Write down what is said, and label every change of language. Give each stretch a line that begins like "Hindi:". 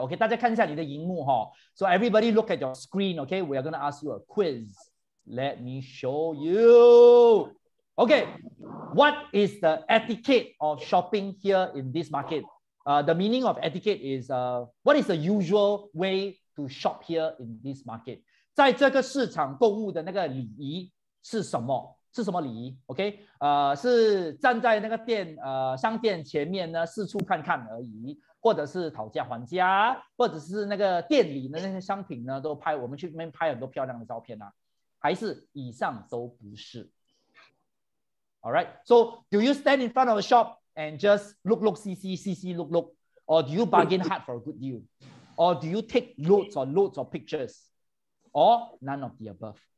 English: Okay,
Chinese: 大家看一下你的荧幕哈。
English: So everybody look at your screen, okay? We are going to ask you a quiz. Let me show you. Okay, what is the etiquette of shopping here in this market? The meaning of etiquette is what is the usual way to shop here in this market?
Chinese: 在这个市场购物的那个礼仪是什么？是什么礼仪 ？OK， 是站在那个店商店前面呢，四处看看而已，或者是讨价还价，或者是那个店里的那些商品呢，都拍我们去那边拍很多漂亮的照片啊，还是以上都不是？
English: All right. So, do you stand in front of a shop and just look, see, look, or do you bargain hard for a good deal, or do you take loads of pictures, or none of the above?